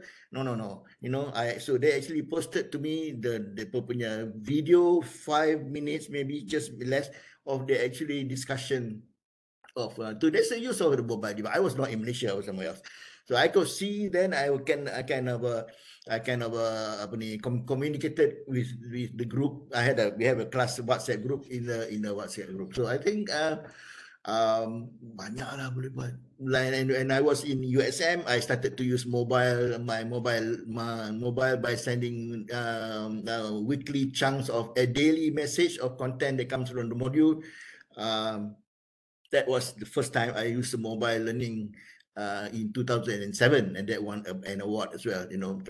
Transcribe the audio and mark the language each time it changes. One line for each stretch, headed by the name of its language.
English: No. You know, so they actually posted to me the punya video, 5 minutes, maybe just less, of the actually discussion of, that's the use of the mobile device. I was not in Malaysia, I was somewhere else. So I could see then I can communicated with the group. We have a class WhatsApp group in the WhatsApp group. So I think
Malay: banyak lah boleh buat.
English: And I was in USM, I started to use my mobile by sending weekly chunks of a daily message of content that comes from the module. That was the first time I used mobile learning in 2007, and that won an award as well, you know.